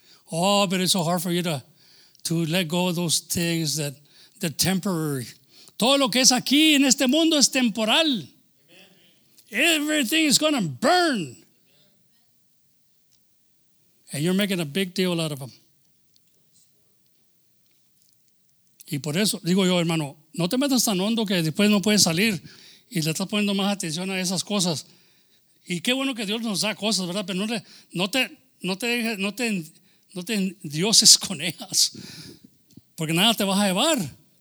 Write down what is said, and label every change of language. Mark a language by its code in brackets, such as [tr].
[en] Oh, but it's so hard for you to let go of those things that the temporary. [es] Todo lo que es aquí en este mundo es temporal. [en] Everything is going to burn. And you're making a big deal out of them. [es] Y por eso, digo yo, hermano, no te metas tan hondo que después no puedes salir y le estás poniendo más atención a esas cosas. Y qué bueno que Dios nos da cosas, ¿verdad? Pero no te endioses con ellas, porque nada te vas a llevar.